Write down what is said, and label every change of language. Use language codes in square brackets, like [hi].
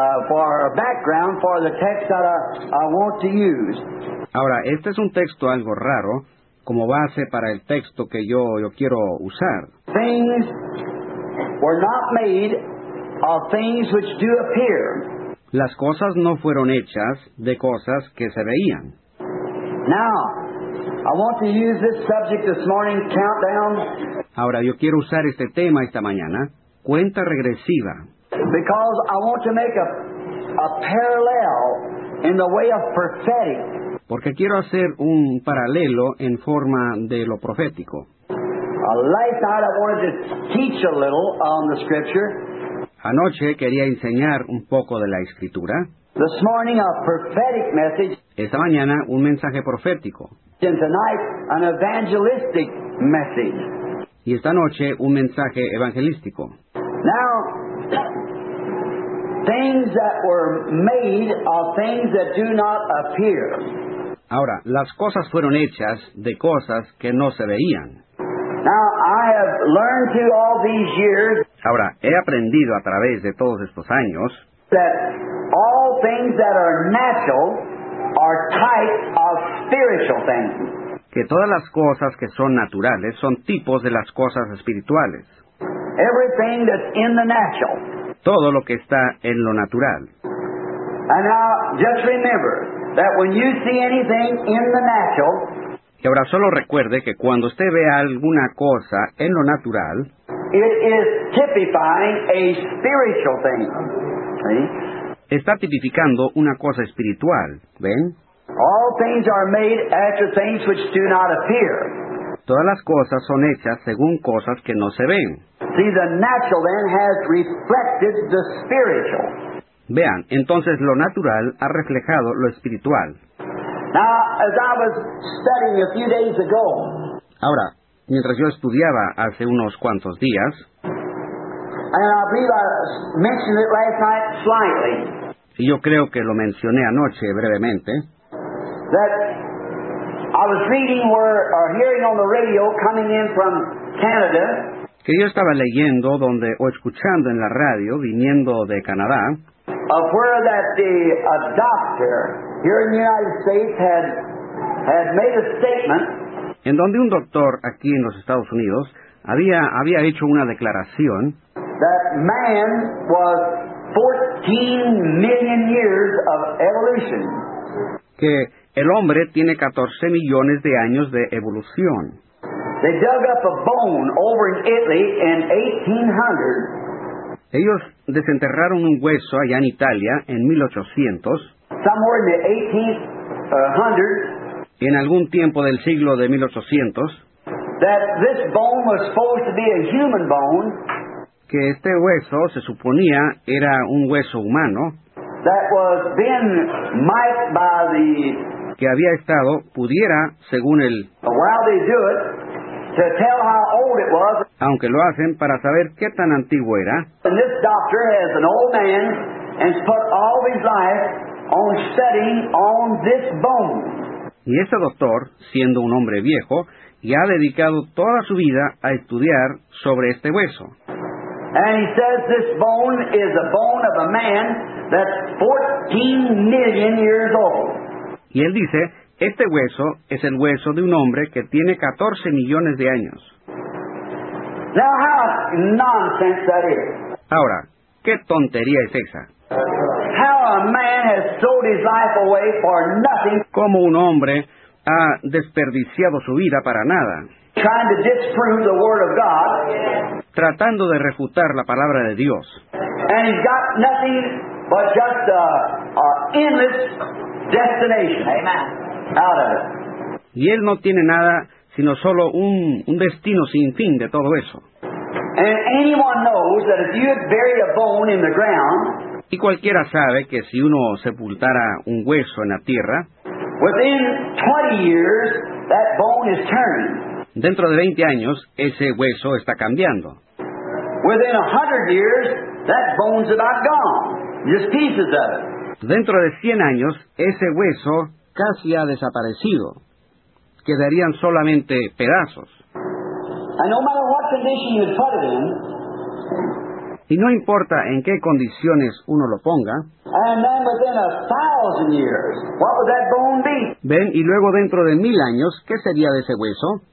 [en] For a background for the text that I want to use. [es] Ahora, este es un texto algo raro como base para el texto que yo quiero usar. [en] Things were not made of things which do appear. [es] Las cosas no fueron hechas de cosas que se veían. [en] Now, I want to use this subject this morning, countdown. [es] Ahora, yo quiero usar este tema esta mañana, cuenta regresiva. [en] Because I want to make a parallel in the way of prophetic. [es] Porque quiero hacer un paralelo en forma de lo profético. [en] A last night I wanted to teach a little on the scripture. [es] Anoche quería enseñar un poco de la escritura. [en] This morning a prophetic message. [es] Esta mañana un mensaje profético. [en] And tonight an evangelistic message. [es] Y esta noche un mensaje evangelístico. [en] Now, things that were made of things that do not appear. [es] Ahora, las cosas fueron hechas de cosas que no se veían. [en] Now, I have learned through all these years. [es] Ahora, he aprendido a través de todos estos años. [en] That all things that are natural are types of spiritual things. [es] Que todas las cosas que son naturales son tipos de las cosas espirituales. [en] Everything that's in the natural. [es] Todo lo que está en lo natural. [en] And now, just remember that when you see anything in the natural. [es] Y ahora solo recuerde que cuando usted ve alguna cosa en lo natural. [en] It is typifying a spiritual thing. See? [es] Está tipificando una cosa espiritual. ¿Ven? [en] All things are made after things which do not appear. [es] Todas las cosas son hechas según cosas que no se ven. [en] See, the natural then has reflected the spiritual. [es] Vean, entonces lo natural ha reflejado lo espiritual. [en] Now, as I was studying a few days ago. [es] Ahora, mientras yo estudiaba hace unos cuantos días. [en] And I believe I mentioned it last night slightly. [es] Y yo creo que lo mencioné anoche brevemente. [en] That I was reading or hearing on the radio coming in from Canada. [es] Que yo estaba leyendo donde o escuchando en la radio viniendo de Canadá. [en] Of where that a doctor here in the United States had made a statement. [es] En donde un doctor aquí en los Estados Unidos había hecho una declaración. [en] That man was 14 million years of evolution. [es] Que el hombre tiene 14 millones de años de evolución. [en] They dug up a bone over in Italy in 1800. [es] Ellos desenterraron un hueso allá en Italia en 1800. [en] Somewhere in the 1800s. [es] En algún tiempo del siglo de 1800. [en] That this bone was supposed to be a human bone. [es] Que este hueso se suponía era un hueso humano. [en] That was being mined by the. [es] Que había estado, pudiera, según el. [en] While they do it. To tell how old it was. [es] Aunque lo hacen para saber qué tan antiguo era. [en] And this doctor has an old man and put all his life on studying on this bone. [es] Y ese doctor, siendo un hombre viejo, ya ha dedicado toda su vida a estudiar sobre este hueso. [en] And he says this bone is a bone of a man that's 14 million years old. [es] Y él dice, este hueso es el hueso de un hombre que tiene 14 millones de años. [en] Now, how nonsense that is. [es] Ahora, ¿qué tontería es esa? [en] How a man has sold his life away for nothing. [es] ¿Cómo un hombre ha desperdiciado su vida para nada? [en] Trying to disprove the word of God. [es] Tratando de refutar la palabra de Dios. [en] And he's got nothing but just a endless destination. Amen. Out of it. [es] Y él no tiene nada, sino solo un destino sin fin de todo eso. [en] And anyone knows that if you bury a bone in the ground, [es] y cualquiera sabe que si uno sepultara un hueso en la tierra, [en] within 20 years, that bone is turned. [es] Dentro de 20 años, ese hueso está cambiando. [en] Within 100 years, that bone's about gone. Just pieces of it. [es] Dentro de 100 años, ese hueso casi ha desaparecido. Quedarían solamente pedazos. [en] And no matter what condition you put it in, [es] y no importa en qué condiciones uno lo ponga, [en] and then within 1,000 years, what would that bone be? [es] Ven, y luego dentro de 1,000 años, ¿qué sería de ese hueso?